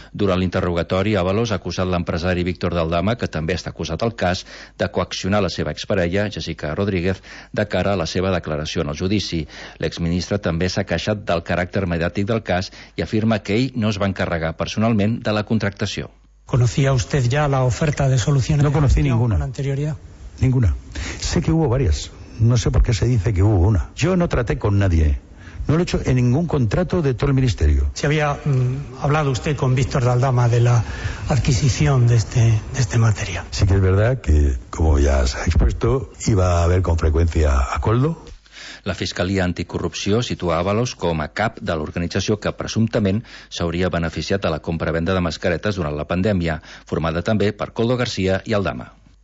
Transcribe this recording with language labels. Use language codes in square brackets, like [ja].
[ca] Durant l'interrogatori, Ábalos ha acusat l'empresari Víctor Daldama, que també està acusat al cas, de coaccionar la seva exparella, Jessica Rodríguez, de cara a la seva declaració en el judici. L'exministre també s'ha queixat del caràcter mediàtic del cas i afirma que ell no es va encarregar personalment de la contractació. [es] ¿Conocía usted ya la oferta de soluciones? No conocí ninguna. ¿Con anterioridad? Ninguna. Sé que hubo varias. No sé por qué se dice que hubo una. Yo no traté con nadie. No lo he hecho en ningún contrato de todo el ministerio. ¿Se había hablado usted con Víctor Daldama de la adquisición de este material? Sí que es verdad que, como ya se ha expuesto, iba a haber con frecuencia a Coldo. [ca] La Fiscalia Anticorrupció situa Ábalos com a cap de l'organització que presumptament s'hauria beneficiat de la compra-venda de mascaretes durant la pandèmia, formada també per Coldo García i Aldama.